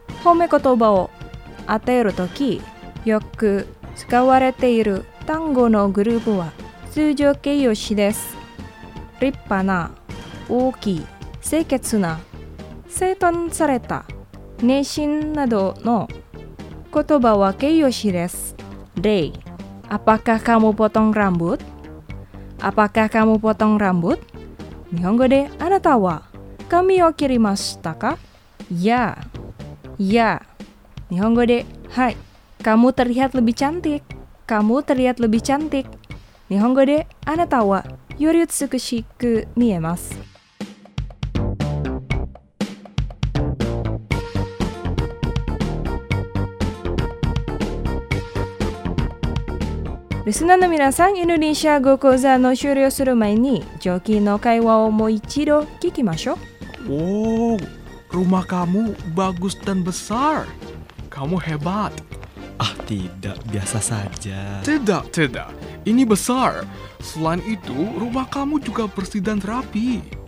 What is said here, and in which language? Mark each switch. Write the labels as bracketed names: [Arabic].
[Japanese] 褒め言葉を当てるときよく使われている単語のグループは通常形容詞です。立派な、大きい、清潔な、整頓された、熱心などの言葉は形容詞です。 [Indonesian] 例、apakah kamu potong rambut? Apakah kamu potong rambut? [Japanese] 日本語で、あなたは髪を切りましたか？いや。日本語で、はい。 [Indonesian] Kamu terlihat lebih cantik. [Japanese] 日本語で、あなたはより美しく見えます。リスナーの皆さん、インドネシア語講座の終了する前に、上級の会話をもう一度聞きましょう。 [Indonesian] おお、rumah kamu bagus dan besar. Kamu hebat. Ah, tidak, biasa saja. Tidak, tidak. Ini besar. Selain itu, rumah kamu juga bersih dan rapi.